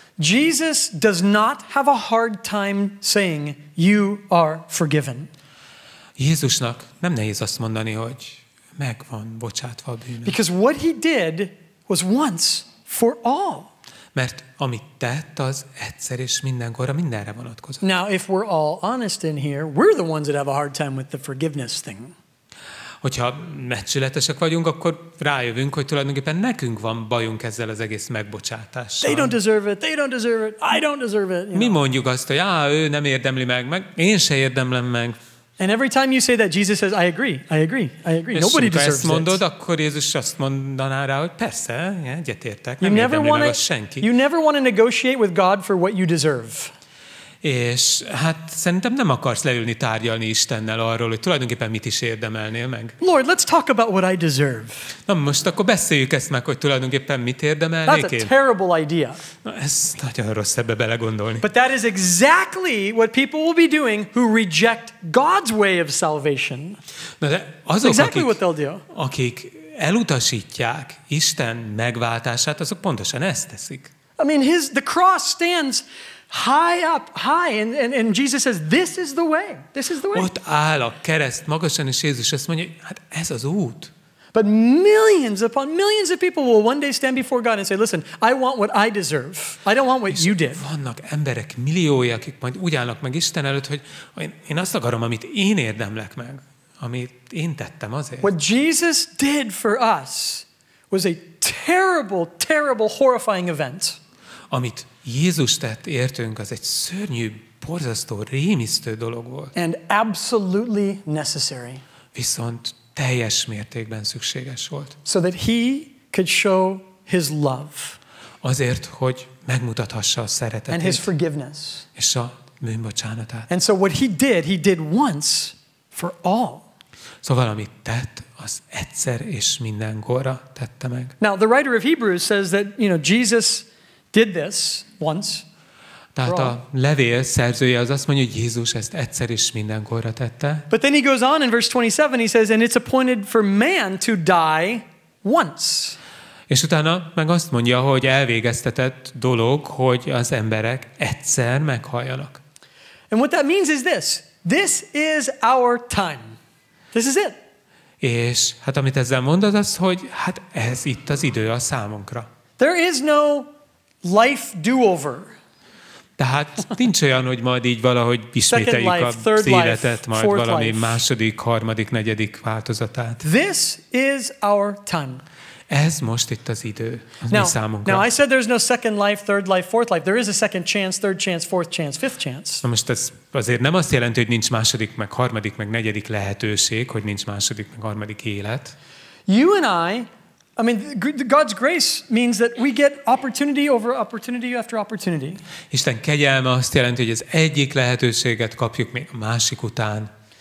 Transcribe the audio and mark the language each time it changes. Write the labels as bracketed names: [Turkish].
[English] Jesus does not have a hard time saying, you are forgiven. [Hungarian] Jézusnak nem nehéz azt mondani, hogy megvan bocsátva a bűnök. [English] Because what he did was once for all. [Hungarian] Mert amit tett, az egyszer és mindenkorra mindenre vonatkozott. [English] Now, if we're all honest in here, we're the ones that have a hard time with the forgiveness thing. [Hungarian] Hogyha meccsületesek vagyunk, akkor rájövünk, hogy tulajdonképpen nekünk van bajunk ezzel az egész megbocsátással. [English] They don't deserve it, they don't deserve it, I don't deserve it. [Hungarian] Mi mondjuk azt, hogy ő nem érdemli meg, én se érdemlem meg. [English] And every time you say that, Jesus says, I agree. Nobody deserves it. [Hungarian] És ha ezt mondod, akkor Jézus azt mondaná rá, hogy persze, egyetértek, nem érdemli meg az senki. [English] You never want to negotiate with God for what you deserve. [Hungarian] És szerintem nem akarsz leülni tárgyalni Istennel arról, hogy tulajdonképpen mit is érdemelnél meg. [English] Lord, let's talk about what I deserve. [Hungarian] Na most akkor beszéljük ezt meg, hogy tulajdonképpen mit érdemelnék. [English] That's a terrible idea. [Hungarian] Na ez nagyon rossz ebbe belegondolni. [English] But that is exactly what people will be doing who reject God's way of salvation. [Hungarian] Na de azok, [English] exactly what they'll do. [Hungarian] Akik elutasítják Isten megváltását, azok pontosan ezt teszik. [English] I mean, the cross stands high up, high, and Jesus says, this is the way. This is the way. [Hungarian] Ott áll a kereszt magasan, és Jézus azt mondja, ez az út. [English] But millions upon millions of people will one day stand before God and say, listen, I want what I deserve. I don't want what you did. [Hungarian] Vannak emberek milliói, akik majd úgy állnak meg Isten előtt, hogy én azt akarom, amit én érdemlek meg, amit én tettem azért. [English] What Jesus did for us was a terrible, terrible, horrifying event. [Hungarian] Amit Jézus tett értünk, az egy szörnyű, borzasztó, rémisztő dolog volt. [English] And absolutely necessary. [Hungarian] Viszont teljes mértékben szükséges volt. [English] So that he could show his love. [Hungarian] Azért, hogy megmutathassa a szeretetét. [English] And his forgiveness. [Hungarian] És a bűnbocsánatát. [English] And so what he did once for all. [Hungarian] Szóval amit tett, az egyszer és mindenkorra tette meg. [English] Now the writer of Hebrews says that, Jesus did this once. [Hungarian] Tehát a levél szerzője az azt mondja, hogy Jézus ezt egyszer és mindenkorra tette. [English] But then he goes on in verse 27, he says, and it's appointed for man to die once. [Hungarian] És utána meg azt mondja, hogy elvégeztetett dolog, hogy az emberek egyszer meghaljanak. [English] And what that means is this. This is our time. This is it. [Hungarian] És amit ezzel mond az, hogy ez itt az idő a számunkra. [English] There is no life do-over. [Hungarian] Tehát nincs olyan, hogy majd így valahogy ismételjük [English] life, [Hungarian] az életet, majd [English] life, [Hungarian] valami [English] life. [Hungarian] Második, harmadik, negyedik változatát. [English] This is our time. [Hungarian] Ez most itt az idő, az [English] now, [Hungarian] mi számunkra. [English] Now, I said there's no second life, third life, fourth life. There is a second chance, third chance, fourth chance, fifth chance. [Hungarian] Na most ez azért nem azt jelenti, hogy nincs második, meg harmadik, meg negyedik lehetőség, hogy nincs második, meg harmadik élet. [English] You and I mean, God's grace means that we get opportunity over opportunity after opportunity. [Hungarian] Isten kegyelme azt jelenti, hogy az egyik lehetőséget kapjuk még a másik után.